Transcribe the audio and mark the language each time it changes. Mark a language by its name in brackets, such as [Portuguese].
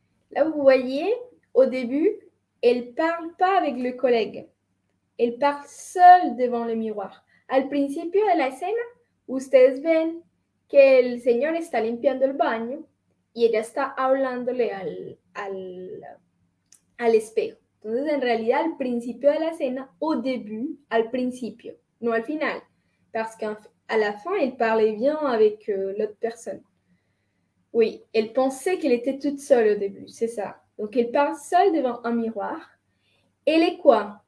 [French] Là, vous voyez, au début, elle parle pas avec le collègue. Elle parle seule devant le miroir. [Spanish] Al principio de la escena, ustedes ven que el señor está limpiando el baño y ella está hablándole al espejo. Entonces, en realidad, al principio de la escena, [French] au début, [Spanish] al principio, no al final, [French] parce qu'à la fin, elle parlait bien avec l'autre personne. Oui, elle pensait qu'elle était toute seule au début, c'est ça. Donc elle parle seule devant un miroir. Elle est quoi?